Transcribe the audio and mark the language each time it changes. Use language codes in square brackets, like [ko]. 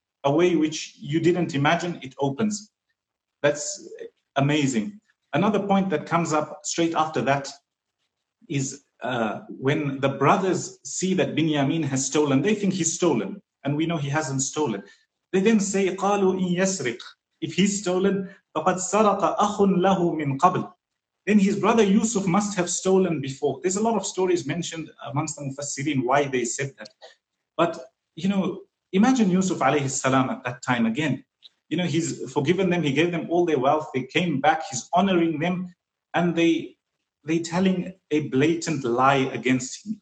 [en] A way which you didn't imagine, it opens. That's amazing. Another point that comes up straight after that is when the brothers see that Binyamin has stolen, they think he's stolen. And we know he hasn't stolen. They then say, [ar] قَالُوا إِنْ يَسْرِقْ. [en] If he's stolen, [ar] فَقَدْ سَرَقَ أَخٌ لَهُ مِنْ قَبْلِ. [en] Then his brother Yusuf must have stolen before. There's a lot of stories mentioned amongst the Mufassirin why they said that. But, you know, imagine Yusuf alayhi salam at that time again. You know, he's forgiven them, he gave them all their wealth, they came back, he's honoring them, and they telling a blatant lie against him.